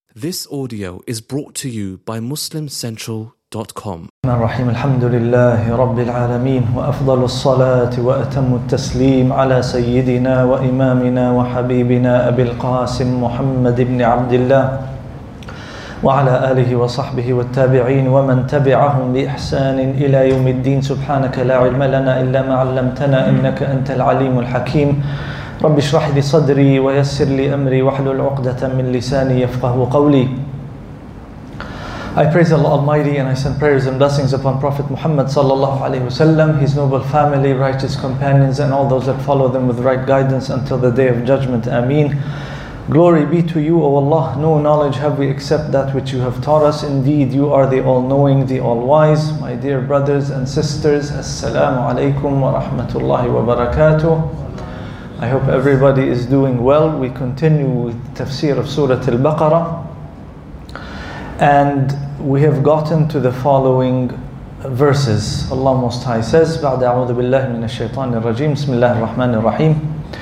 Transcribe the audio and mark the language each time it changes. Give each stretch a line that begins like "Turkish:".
English: This audio is brought to you by MuslimCentral.com.
Arabic: الرحيم الحمد لله رب العالمين وأفضل الصلاة وأتم التسليم على سيدنا وإمامنا وحبيبنا أبي القاسم محمد بن عبد الله وعلى آله وصحبه والتابعين ومن تبعهم بإحسان إلى يوم الدين. سبحانك لا علم لنا إلا ما علمتنا إنك أنت العليم الحكيم. رب اشرح لي صدري ويسر لي أمري واحلل عقدة من لساني يفقه قولي.
English: I praise Allah Almighty and I send prayers and blessings upon Prophet Muhammad sallallahu alayhi wasallam, his noble family, righteous companions and all those that follow them with right guidance until the day of judgment. Ameen. Glory be to you, O Allah. No knowledge have we except that which you have taught us. Indeed, you are the all-knowing, the all-wise. My dear brothers and sisters, Assalamu alaikum wa rahmatullahi wa barakatuh. I hope everybody is doing well. We continue with tafsir of Surah Al-Baqarah. And we have gotten to the following verses. Allah Most High says,
Arabic: بَعْدَ أَعُوذُ بِاللَّهِ مِنَ الشَّيْطَانِ الرَّجِيمِ بِسْمِ اللَّهِ الرَّحْمَنِ الرَّحِيمِ